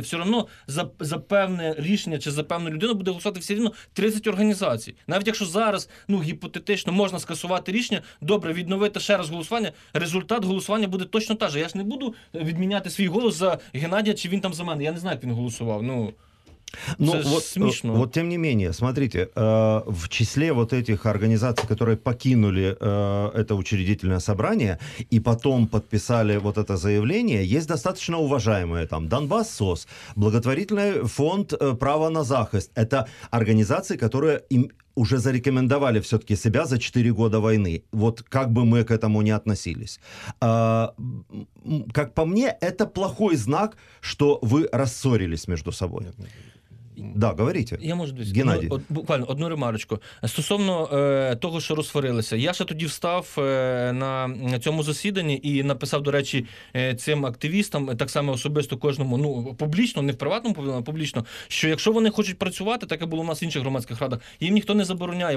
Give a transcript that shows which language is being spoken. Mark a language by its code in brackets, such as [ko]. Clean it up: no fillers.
[uk] Все одно за певне рішення чи за певну людину буде голосувати все рівно 30 організацій. Навіть якщо зараз, ну, гіпотетично можна скасувати рішення, добре, відновити ще раз голосування, результат голосування буде точно та ж. Я ж не буду відміняти свій голос за Геннадія, чи він там за мене. Я не знаю, як він голосував. Ну, [ru] ну, вот, смешно. Вот тем не менее, смотрите, в числе вот этих организаций, которые покинули это учредительное собрание и потом подписали вот это заявление, есть достаточно уважаемые там Донбассос, благотворительный фонд «Право на захист». Это организации, которые им уже зарекомендовали все-таки себя за 4 года войны. Вот как бы мы к этому ни относились. Как по мне, это плохой знак, что вы рассорились между собой. Да, говорите. [uk] Я можу дивитися. Геннадій. От, буквально одну ремарочку. Стосовно того, що розсварилися. Я ще тоді встав на цьому засіданні і написав, до речі, цим активістам, так само особисто кожному, ну, публічно, не в приватному, а публічно, що якщо вони хочуть працювати, так як було у нас в інших громадських радах, їм ніхто не забороняє.